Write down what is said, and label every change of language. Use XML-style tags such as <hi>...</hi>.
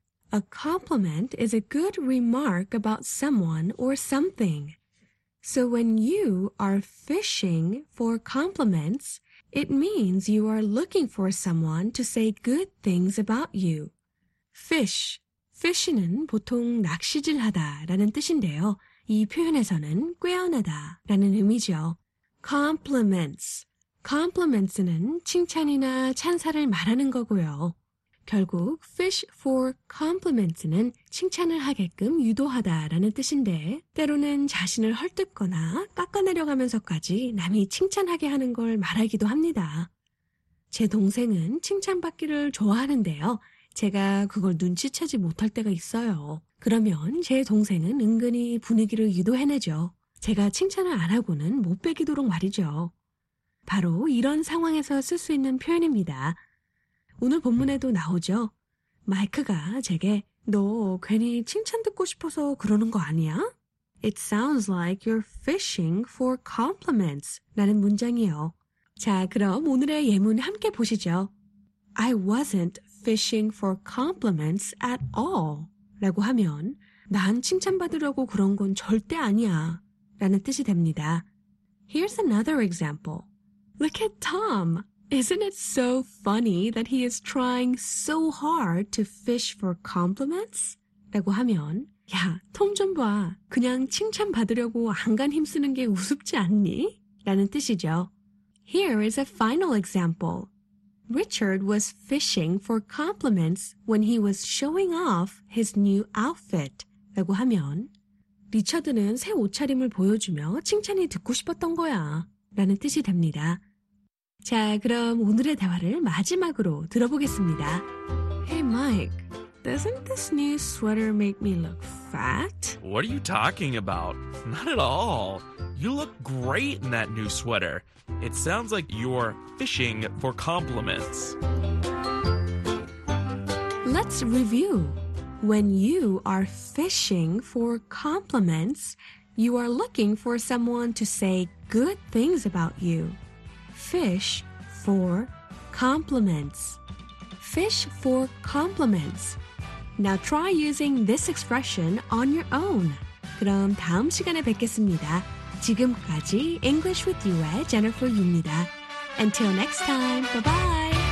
<en>A compliment is a good remark about someone or something. So when you are fishing for compliments, it means you are looking for someone to say good things about you. Fish.</en> <ko>Fish는 보통 낚시질하다 라는 뜻인데요. 이 표현에서는 꾀어내다 라는 의미죠.</ko> <en>Compliments.</en> <ko>Compliments는 칭찬이나 찬사를 말하는 거고요. 결국</ko> <en>fish for compliments</en> <ko>는 칭찬을 하게끔 유도하다 라는 뜻인데 때로는 자신을 헐뜯거나 깎아내려가면서까지 남이 칭찬하게 하는 걸 말하기도 합니다. 제 동생은 칭찬받기를 좋아하는데요. 제가 그걸 눈치채지 못할 때가 있어요. 그러면 제 동생은 은근히 분위기를 유도해내죠. 제가 칭찬을 안 하고는 못 빼기도록 말이죠. 바로 이런 상황에서 쓸 수 있는 표현입니다. 오늘 본문에도 나오죠. 마이크가 제게 너 괜히 칭찬 듣고 싶어서 그러는 거 아니야?</ko> <en>It sounds like you're fishing for compliments</en> <ko>라는 문장이요. 자, 그럼 오늘의 예문 함께 보시죠.</ko> <en>I wasn't fishing for compliments at all</en> <ko>라고 하면 난 칭찬받으려고 그런 건 절대 아니야 라는 뜻이 됩니다.</ko> <en>Here's another example. Look at Tom. Isn't it so funny that he is trying so hard to fish for compliments?</en> <ko>라고 하면, 야, 톰 좀 봐. 그냥 칭찬받으려고 안간 힘쓰는 게 우습지 않니? 라는 뜻이죠.</ko> <en>Here is a final example. Richard was fishing for compliments when he was showing off his new outfit.</en> <ko>라고 하면, 리처드는 새 옷차림을 보여주며 칭찬이 듣고 싶었던 거야. 라는 뜻이 됩니다. 자, 그럼 오늘의 대화를 마지막으로 들어보겠습니다.</ko> <en>Hey, Mike, doesn't this new sweater make me look fat? What are you talking about? Not at all. You look great in that new sweater. It sounds like you're fishing for compliments. Let's review. When you are fishing for compliments, you are looking for someone to say good things about you. Fish for compliments. Fish for compliments. Now try using this expression on your own.</en> <ko>그럼 다음 시간에 뵙겠습니다. 지금까지 English with You의 Jennifer 유입니다.</ko> <en>Until next time, bye-bye.</en>